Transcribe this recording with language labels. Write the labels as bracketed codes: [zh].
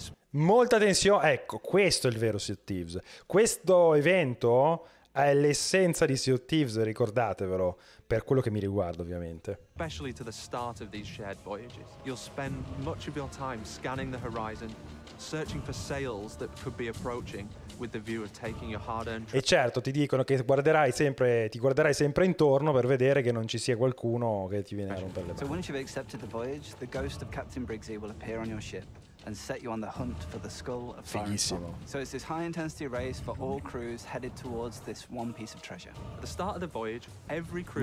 [it] Molta tensione, ecco, questo è il vero Sea of Thieves. Questo evento è l'essenza di Sea of Thieves, ricordatevelo, per quello che mi riguarda ovviamente. [en] Specially to the start of these shared voyages, you'll spend much of your time scanning the horizon, searching for sails that could be approaching with the view of taking your hard-earned. [it] E certo, ti dicono che ti guarderai sempre intorno per vedere che non ci sia qualcuno che ti viene a rompere le mani. [en] So once you've accepted the voyage, the ghost of Captain Briggsy will appear on your ship and set you on the hunt for the Skull of Siren. Fighissimo. So it's this high intensity race for all crews headed towards this one piece of treasure. At the start of the voyage, every crew.